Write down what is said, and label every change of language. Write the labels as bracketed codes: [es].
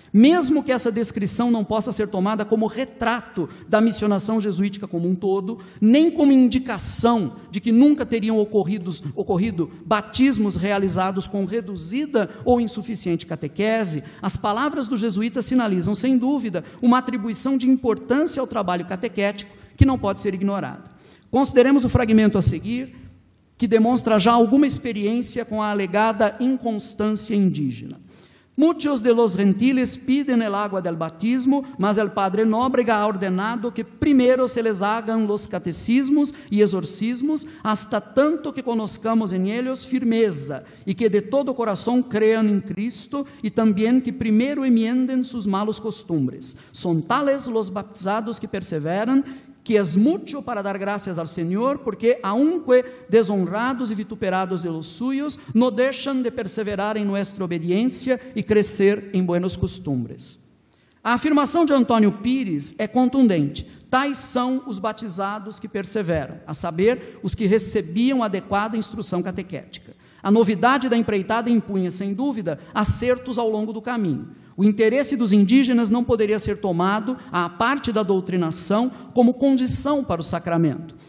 [pt] Mesmo que essa descrição não possa ser tomada como retrato da missionação jesuítica como um todo, nem como indicação de que nunca teriam ocorrido batismos realizados com reduzida ou insuficiente catequese, as palavras do jesuíta sinalizam, sem dúvida, uma atribuição de importância ao trabalho catequético que não pode ser ignorada. Consideremos o fragmento a seguir, que demonstra já alguma experiência com a alegada inconstância indígena. [es] Muchos de los gentiles piden el agua del batismo, mas el padre Nóbrega ha ordenado que primero se les hagan los catecismos y exorcismos hasta tanto que conozcamos en ellos firmeza y que de todo corazón crean en Cristo y también que primero enmienden sus malos costumbres. Son tales los baptizados que perseveran que es mucho para dar gracias al Señor, porque aunque deshonrados y vituperados de los suyos, no dejan de perseverar en nuestra obediencia y crecer en buenos costumbres. [pt] A afirmação de Antônio Pires é contundente. Tais são os batizados que perseveram, a saber, os que recebiam adequada instrução catequética. A novidade da empreitada impunha, sem dúvida, acertos ao longo do caminho. O interesse dos indígenas não poderia ser tomado, à parte da doutrinação, como condição para o sacramento.